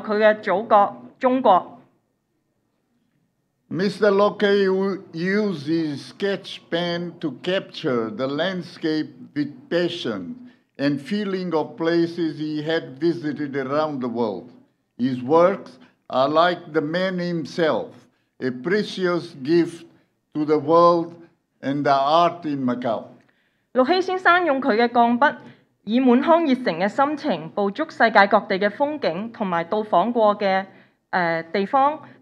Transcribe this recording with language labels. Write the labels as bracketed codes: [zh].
[yue] 透過今次嘅展覽咧，展出咗25幅用鋼筆畫嘅素描作品，可以體會陸希先生游歷世界各地，展現視野同埋見識，當中包括葡萄牙、意大利、俄羅斯、日本，當然仲有佢嘅祖國中國。 [en] Mr. Lok Hei used his sketch pen to capture the landscape with passion and feeling of places he had visited around the world. His works are like the man himself, a precious gift to the world and the art in Macau. [yue] 陆希先生用佢嘅钢笔，以满腔热诚嘅心情捕捉世界各地嘅风景同埋到访过嘅地方。